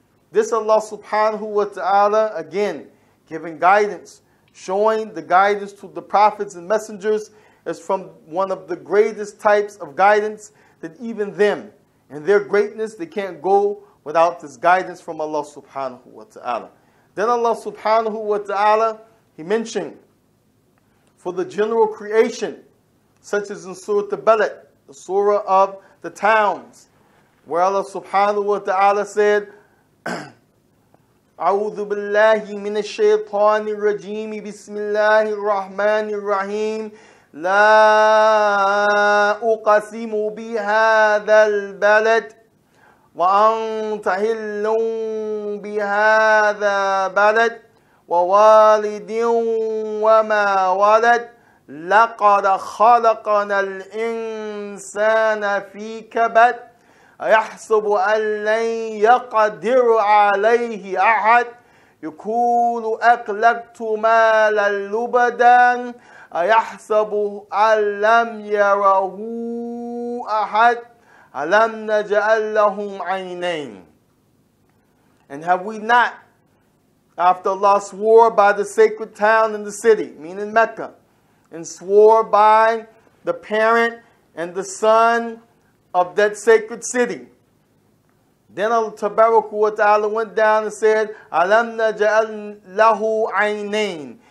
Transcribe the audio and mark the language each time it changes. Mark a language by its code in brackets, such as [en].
[en] This Allah subhanahu wa ta'ala, again, giving guidance, showing the guidance to the prophets and messengers, is from one of the greatest types of guidance, that even them, in their greatness, they can't go without this guidance from Allah subhanahu wa ta'ala. Then Allah subhanahu wa ta'ala, He mentioned for the general creation, such as in Surah Al-Balad, the Surah of the Towns, where Allah subhanahu wa ta'ala said, [ar] أعوذ بالله من الشيطان الرجيم بسم الله الرحمن الرحيم لا أقسم بهذا البلد وأنت حل بهذا البلد ووالد وما ولد لقد خلقنا الإنسان في كبد أيحسب أن لن يقدر عليه أحد يقول أكلت مالا لبدا أيحسب أن لم يره أحد ألم نجعل لهم عينين. [en] And have we not, after Allah swore by the sacred town and the city, meaning Mecca, and swore by the parent and the son of that sacred city, then Allah Tabaraka wa ta'ala went down and said, [ar] Alam naj'al lahu aynayn.